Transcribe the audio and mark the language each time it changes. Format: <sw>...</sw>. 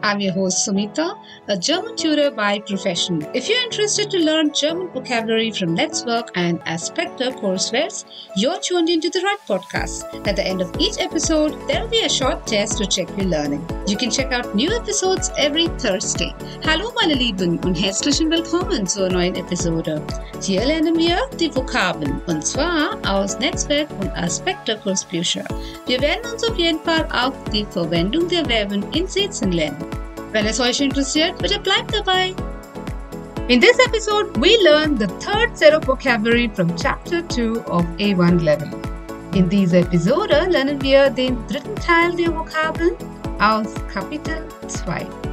<en>I'm your host Sumita, a German tutor by profession. If you're interested to learn German vocabulary from Let's Work and Aspekte coursewares, you're tuned into the right podcast. At the end of each episode, there'll be a short test to check your learning. You can check out new episodes every Thursday.</en> <de>Hallo meine Lieben und herzlichen willkommen zur neuen Episode. Hier lernen wir die Vokabeln, und zwar aus Netzwerk und Aspekte Kursbücher. Wir werden uns auf jeden Fall auch die Verwendung der Verben in Sätzen lernen. Wenn es euch interessiert, bitte bleibt dabei!</de> <en>In this episode, we learn the third set of vocabulary from Chapter 2 of A1 Level.</en> <de>In dieser Episode lernen wir den dritten Teil der Vokabeln aus Kapitel 2.</de>